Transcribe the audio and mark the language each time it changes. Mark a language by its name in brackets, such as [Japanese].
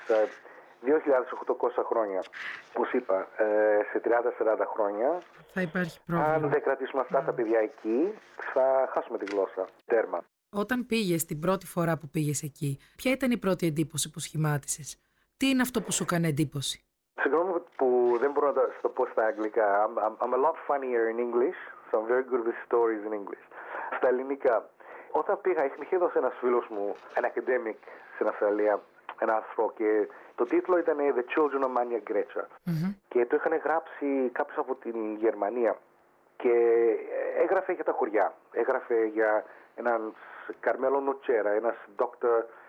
[Greek] Σε 2.800 χρόνια, όπως είπα, σε 30-40 χρόνια, θα υπάρχει πρόβλημα. Αν δεν κρατήσουμε αυτά τα παιδιά εκεί, θα χάσουμε τη γλώσσα. Τέρμα. Όταν πήγες την πρώτη φορά που πήγες εκεί, ποια ήταν η πρώτη εντύπωση που σχημάτισες? Τι είναι αυτό που σου έκανε εντύπωση? Συγγνώμη που δεν μπορώ να το πω στα αγγλικά. [English] I'm a lot funnier in English. So I'm very good with stories in English. [Greek] Στα ελληνικά, όταν πήγα, είχε δώσει ένας φίλος μου, [English] an academic [Greek] στην Αυστραλία, ένα άρθρο, και το τίτλο ήταν The Children of Mania Grecia. Και το είχαν γράψει κάποιος από την Γερμανία. Και έγραφε για τα χωριά. Έγραφε για έναν Καρμέλο Νοτσέρα, ένας Dr.